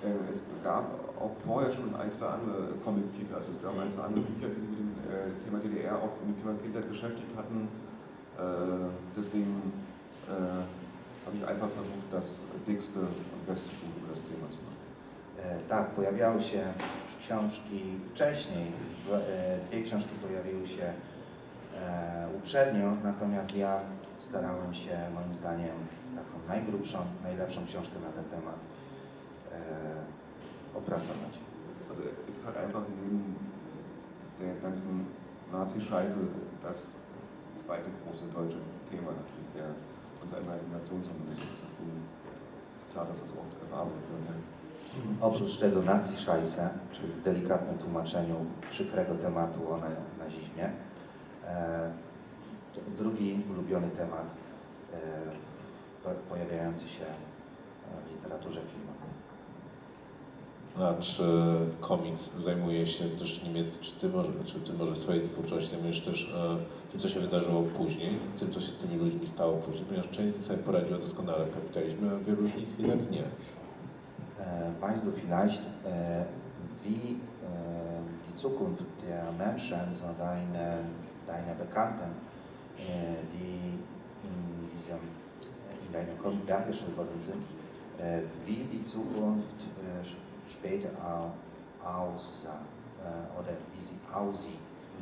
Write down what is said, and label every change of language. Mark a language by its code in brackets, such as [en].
[de] Es gab auch vorher schon ein, zwei andere Comic-Titel, also es gab ein, zwei andere Bücher, die sich mit dem Thema DDR, auch mit dem Thema Kindheit beschäftigt hatten. Deswegen habe ich einfach versucht, das dickste und beste Buch über das Thema zu machen. [pl] Tak, pojawiały się książki wcześniej, dwie książki pojawiły się uprzednio, natomiast ja starałem się, moim zdaniem, taką najgrubszą, najlepszą książkę na ten temat opracować. [de] Also ist halt einfach neben der ganzen Nazi-Scheiße das zweite große deutsche Thema natürlich, der unser Imagination zumindest ist. Deswegen ist klar, dass das oft erwartet wird. [pl] Oprócz tego Nazi-Scheiße, czyli w delikatnym tłumaczeniu przykrego tematu o nazizmie, drugi ulubiony temat pojawiający się w literaturze filmowej. A czy komiks zajmuje się też niemiecki, czy ty może swojej twórczości zajmujesz też tym, co się wydarzyło później, tym, co się z tymi ludźmi stało później, ponieważ część sobie poradziła doskonale w kapitalizmie, a wielu z nich jednak nie. [de] Weißt du vielleicht, wie die Zukunft der Menschen, so deine Bekannten, die in deinem Comic dargestellt worden sind, wie die Zukunft später aussah oder wie sie aussieht.